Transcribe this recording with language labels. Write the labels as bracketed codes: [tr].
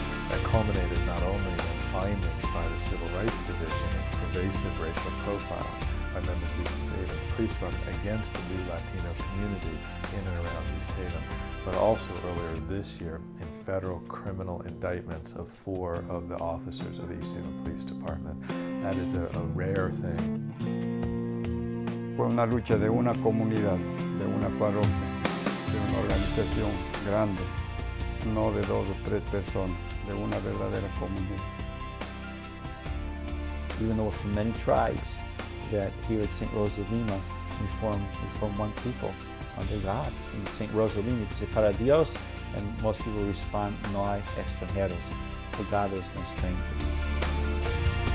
[en] That culminated not only in finding by the Civil Rights Division and pervasive racial profile by members of East Haven Police Department against the new Latino community in and around East Haven, but also earlier this year in federal criminal indictments of 4 of the officers of the East Haven Police Department. That is a rare thing. [es] Fue una lucha de una comunidad, de una parroquia, de una organización grande, no de 2 or 3 personas, de una verdadera comunidad. [en] Even though we're from many tribes, that here at St. Rose of Lima, we form one people under God. In St. Rose of Lima, it's a [es] para Dios, [en] and most people respond, [es] no hay extranjeros. [en] For God, there's no stranger.